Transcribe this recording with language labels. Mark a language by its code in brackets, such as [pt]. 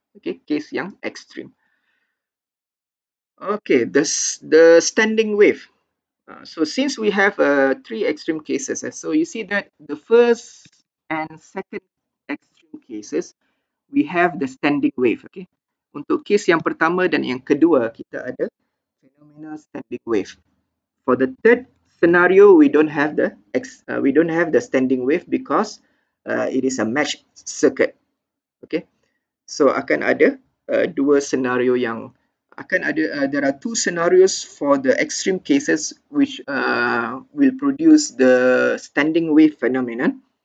[en] Okay, case [ms] yang [en] extreme. Okay, the standing wave. So since we have three extreme cases, so you see that the first and second extreme cases, we have the standing wave. [ms] Okay, untuk case yang pertama dan yang kedua kita ada fenomena standing wave. [en] For the third scenario, we don't have the standing wave because it is a mesh circuit. Okay, so [ms] akan ada dua scenario yang akan ada, [en] there are two scenarios for the extreme cases which will produce the standing wave phenomenon.